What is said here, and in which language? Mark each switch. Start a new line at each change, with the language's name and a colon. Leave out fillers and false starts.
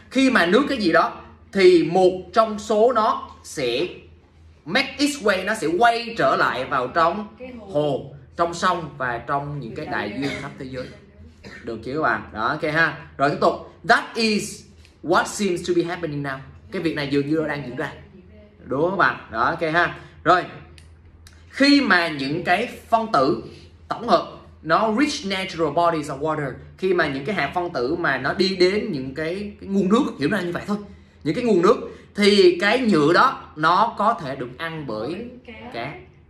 Vietnamese: Khi mà nước cái gì đó thì một trong số nó sẽ
English: make its way,
Vietnamese: nó sẽ quay trở lại vào trong hồ, trong sông và trong những cái đại dương khắp thế giới. Được chưa các bạn? Đó, ok ha. Rồi tiếp tục.
English: That is what seems to be happening now.
Vietnamese: Cái việc này dường như đang diễn ra. Đúng các bạn? Đó, ok ha. Rồi. Khi mà những cái phân tử tổng hợp nó
English: reach natural bodies of water,
Vietnamese: khi mà những cái hạt phân tử mà nó đi đến những cái nguồn nước, hiểu ra như vậy thôi, những cái nguồn nước, thì cái nhựa đó nó có thể được ăn bởi cá.